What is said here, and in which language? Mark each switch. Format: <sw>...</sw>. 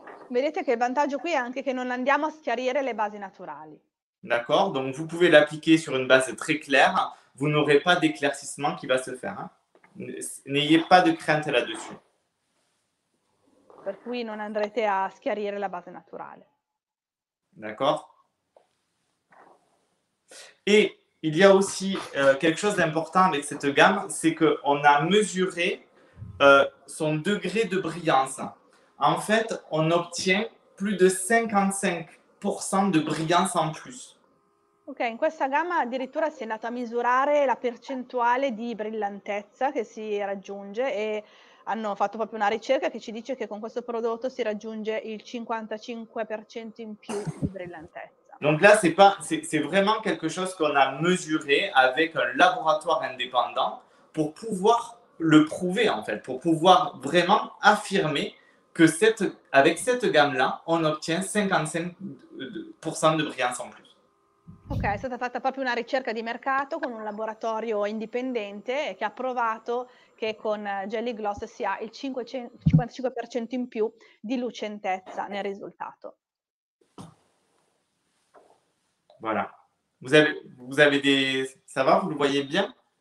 <it>Vedete che il vantaggio qui è anche che non andiamo a schiarire le basi naturali.</it> <fr>D'accord, donc vous pouvez l'appliquer sur une base très claire, vous n'aurez pas d'éclaircissement qui va se faire. N'ayez pas de crainte là-dessus.</fr> <it>Per cui non andrete a schiarire la base naturale.</it> <fr>D'accord. Et il y a aussi quelque chose d'important avec cette gamme, c'est qu'on a mesuré son degré de brillance. En fait, on obtient plus de 55% de brillance en plus.</fr> <it>Ok, in questa gamma addirittura si è andato a misurare la percentuale di brillantezza che si raggiunge e hanno fatto proprio una ricerca che ci dice che con questo prodotto si raggiunge il 55% in più di brillantezza.</it> <fr>Donc là, c'est vraiment quelque chose qu'on a mesuré avec un laboratoire indépendant pour pouvoir le prouver, en fait, pour pouvoir vraiment affirmer que avec cette gamme-là, on obtient 55% de brillance en plus.</fr> <it>Ok, è stata fatta proprio una ricerca di mercato con un laboratorio indipendente che ha provato che con Jelly Gloss si ha il 55% in più di lucentezza nel risultato.</it> <fr>Voilà. Vous avez des... Ça va? Vous le voyez bien?</fr>